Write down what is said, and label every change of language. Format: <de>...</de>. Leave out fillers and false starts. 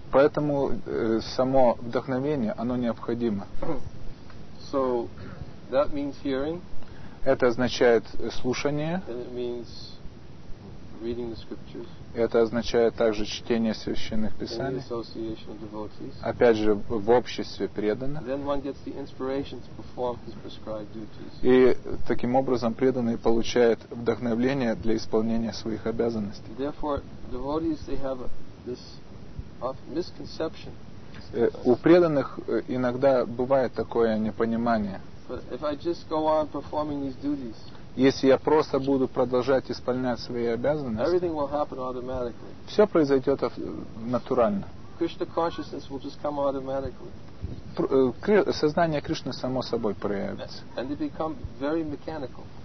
<ru>Поэтому само вдохновение, оно необходимо.</ru> <en>So that means hearing.</en> <ru>Это означает слушание.</ru> <en>And it means reading the scriptures.</en> <ru>Это означает также чтение священных писаний.</ru> <en>In the association of devotees.</en> <ru>Опять же, в обществе преданных.</ru> <en>Then one gets the inspiration to perform his prescribed duties.</en> <ru>И таким образом преданный получает вдохновение для исполнения своих обязанностей.</ru> <en>Therefore, devotees, they have this misconception.</en> <ru>У преданных иногда бывает такое непонимание.</ru> <en>But if I just go on performing these duties,</en> <ru>если я просто буду продолжать исполнять свои обязанности,</ru> <en>everything will happen automatically.</en> <ru>Все произойдет натурально.</ru> <en>Krishna consciousness will just come automatically.</en> <ru>сознание Кришны само собой проявится.</ru> <en>And they become very mechanical.</en>